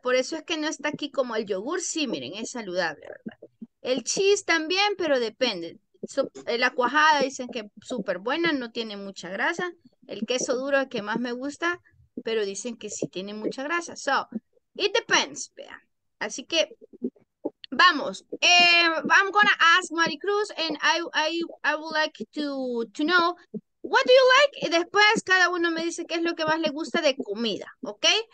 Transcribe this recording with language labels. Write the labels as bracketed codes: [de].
[es] Por eso es que no está aquí como el yogur. Sí, miren, es saludable, ¿verdad? El cheese también, pero depende. So, la cuajada dicen que es súper buena, no tiene mucha grasa. El queso duro es el que más me gusta, pero dicen que sí tiene mucha grasa. [en] So, it depends, [es] vea. Así que, vamos. [en] I'm gonna ask Maricruz, and I would like to know, What do you like? [es] Y después cada uno me dice qué es lo que más le gusta de comida, ¿ok?